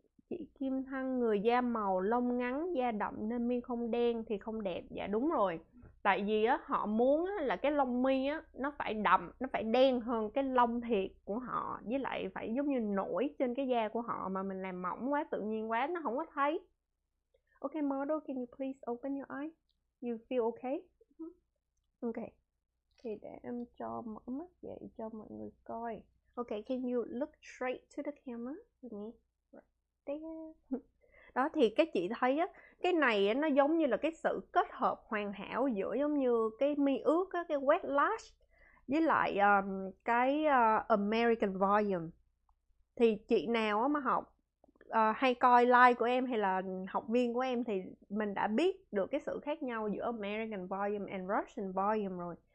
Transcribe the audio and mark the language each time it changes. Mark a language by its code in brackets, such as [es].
[vi] Chị Kim Thăng, người da màu lông ngắn da đậm nên mi không đen thì không đẹp. Dạ đúng rồi, tại vì á họ muốn á, là cái lông mi á nó phải đậm, nó phải đen hơn cái lông thiệt của họ, với lại phải giống như nổi trên cái da của họ, mà mình làm mỏng quá, tự nhiên quá nó không có thấy. [en] Ok model, can you please open your eyes, you feel okay? [vi] Ok, thì để em cho mở mắt dậy cho mọi người coi. [en] Ok, can you look straight to the camera? [vi] Đó thì các chị thấy á, cái này nó giống như là cái sự kết hợp hoàn hảo giữa giống như cái mi ướt á, cái wet lash với lại cái American Volume. Thì chị nào á mà học hay coi live của em hay là học viên của em thì mình đã biết được cái sự khác nhau giữa American Volume and Russian Volume rồi.